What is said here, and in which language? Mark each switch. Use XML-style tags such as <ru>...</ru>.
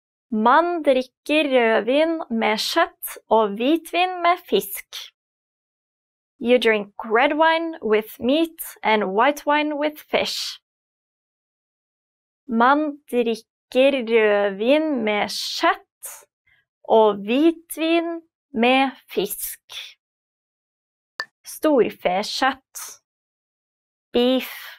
<no>Man drikker rødvin med kjøtt og hvitvin med fisk.</no> <en>You drink red wine with meat and white wine with fish.</en> <no>Man drikker rødvin med kjøtt og hvitvin med fisk. Storfekjøtt.</no> <en>Beef.</en>